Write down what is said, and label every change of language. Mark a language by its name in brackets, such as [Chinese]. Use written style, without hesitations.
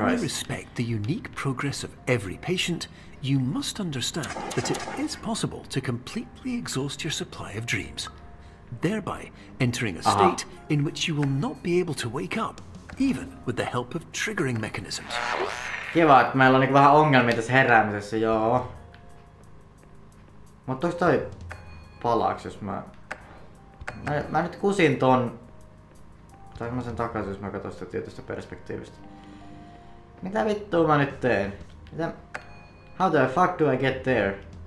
[English] While we respect the unique progress of every patient, you must understand that it is possible to completely exhaust your supply of dreams, thereby entering a state in which you will not be able to wake up, even with the help of triggering mechanisms. [Finnish] Kiva, että meillä on niinku vähän ongelmia tässä heräämisessä, joo. Mutta onks toi palaaks, jos mä... Mä nyt kusin ton... Saanko mä sen takaisin, jos mä katson sitä tietystä perspektiivistä? Mitä vittua mä nyt teen? Mitä? [English] How the fuck do I get there?